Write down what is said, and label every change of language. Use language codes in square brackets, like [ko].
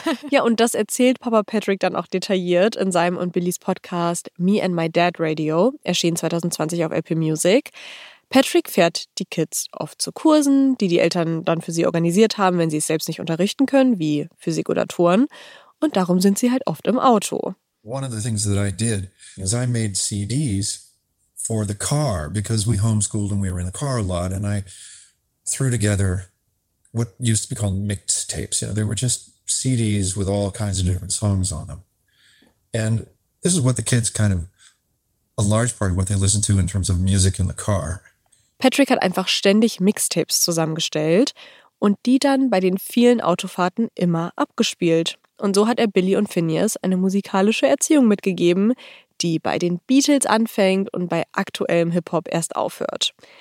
[de] Ja, und das erzählt Papa Patrick dann auch detailliert in seinem und Billys Podcast Me and My Dad Radio, erschien 2020 auf Apple Music. Patrick fährt die Kids oft zu Kursen, die die Eltern dann für sie organisiert haben, wenn sie es selbst nicht unterrichten können, wie Physik oder Touren. Und darum sind sie halt oft im Auto. [en] One of the things that I did is I made CDs for the car, because we homeschooled and we were in the car a lot. And I threw together what used to be called mixtapes. You know, they were just CDs with all kinds of different songs on them. And this is what the kids kind of, a large part of what they listen to in terms of music in the car. [de] Patrick hat einfach ständig Mixtapes zusammengestellt und die dann bei den vielen Autofahrten immer abgespielt. Und so hat er Billy und Phineas eine musikalische Erziehung mitgegeben, die bei den Beatles anfängt und bei aktuellem Hip-Hop erst aufhört.